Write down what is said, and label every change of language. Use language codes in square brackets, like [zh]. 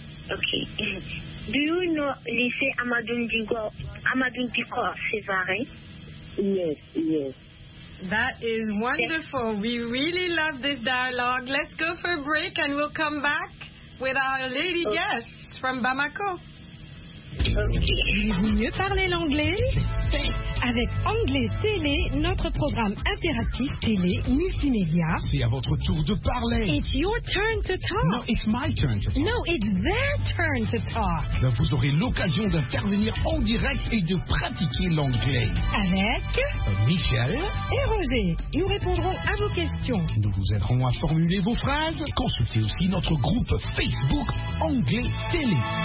[en] Okay. Do you know Lise Amadou Diko Sevari? Yes. That is wonderful. Yes. We really love this dialogue. Let's go for a break and we'll come back with our lady guest from Bamako. Okay. [fr] Vous mieux parler l'anglais? Avec Anglais Télé, notre programme interactif télé multimédia. C'est à votre tour de parler. [en] It's your turn to talk. No, it's my turn to talk. No, it's their turn to talk. [fr] Ben, vous aurez l'occasion d'intervenir en direct et de pratiquer l'anglais. Avec Michel et Roger. Nous répondrons à vos questions. Nous vous aiderons à formuler vos phrases. Consultez aussi notre groupe Facebook Anglais Télé.